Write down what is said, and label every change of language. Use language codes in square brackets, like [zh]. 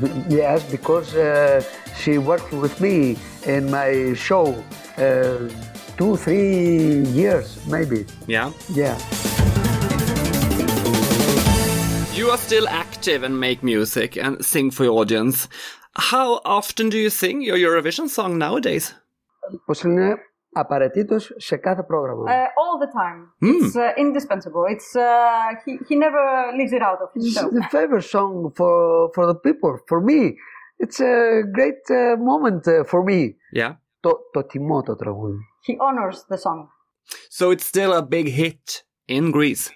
[en] Yes, because she worked with me in my show 2-3 years, maybe. Yeah? Yeah. You are still active and make music and sing for your audience. How often do you sing your Eurovision song nowadays? [el] Απαραίτητος σε κάθε πρόγραμμα. [en] All the time. Mm. It's indispensable. It's he never leaves it out of his show. It's the favorite song for the people, for me. It's a great moment for me. Yeah. [el] Το τιμώ το τραγούδι. [en] He honors the song. So it's still a big hit in Greece.